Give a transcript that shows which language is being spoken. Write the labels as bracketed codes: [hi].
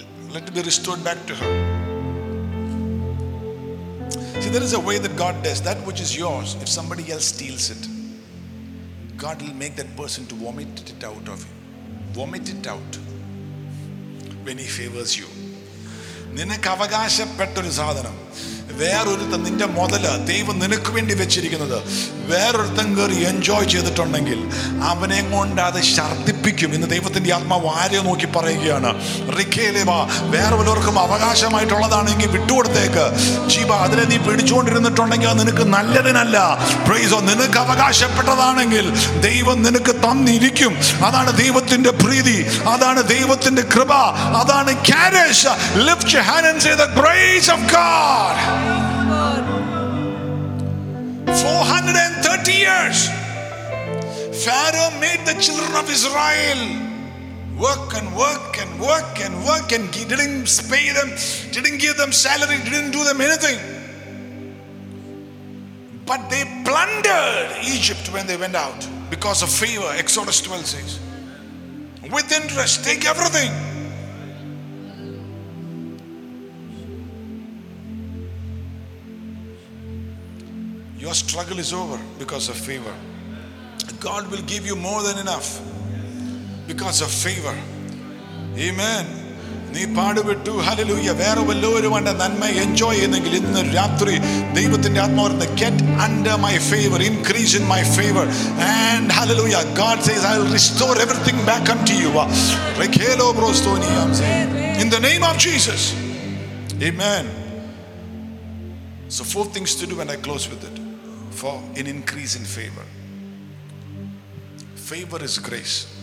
[en] Let it be restored back to her. See, there is a way that God does. That which is yours, if somebody else steals it, God will make that person to vomit it out of you. Vomit it out when He favors you. [ml] നിനക്ക് അവകാശപ്പെട്ടൊരു സാധനം വേറൊരുത്തൻ, നിന്റെ മുതല് ദൈവം നിനക്ക് വേണ്ടി വെച്ചിരിക്കുന്നത് വേറൊരുത്തൻ കയറി എൻജോയ് ചെയ്തിട്ടുണ്ടെങ്കിൽ അവനെ കൊണ്ട് അത് ഛർദിപ്പിക്കും എന്ന് ദൈവത്തിന്റെ ആത്മാവ് ആരെ നോക്കി പറയുകയാണ്. വേറെ പലർക്കും അവകാശമായിട്ടുള്ളതാണെങ്കിൽ വിട്ടുകൊടുത്തേക്ക്. ജീവ, അതിനെ നീ പിടിച്ചുകൊണ്ടിരുന്നിട്ടുണ്ടെങ്കിൽ നിനക്ക് നല്ലതിനല്ല. പ്രൈസോ, നിനക്ക് അവകാശപ്പെട്ടതാണെങ്കിൽ ദൈവം നിനക്ക് തന്നിരിക്കും. അതാണ് ദൈവത്തിന്റെ പ്രീതി, അതാണ് ദൈവത്തിന്റെ കൃപ, അതാണ് കാരേഷ. [en] Lift your hand and say the grace of God. 430 years Pharaoh made the children of Israel work and work and work and work, and he didn't pay them, didn't give them salary, didn't do them anything. But they plundered Egypt when they went out because of favor. Exodus 12 says, with interest, take everything. Your struggle is over because of favor. God will give you more than enough because of favor. [ml] Amen. നീ പാടുവിട്ടു, hallelujah. വേറെ വല്ലവരുമായിട്ട് നന്മ enjoy ചെയ്യുന്നെങ്കിൽ ഇന്ന് രാത്രി ദൈവത്തിന്റെ ആത്മാവ് പറയുന്നത്, [en] get under my favor, increase in my favor, and hallelujah, God says I will restore everything back unto you. Rekhelo brostoni, I'm saying, in the name of Jesus. Amen. So four things to do when I close with it for an increase in favor. Favor is grace.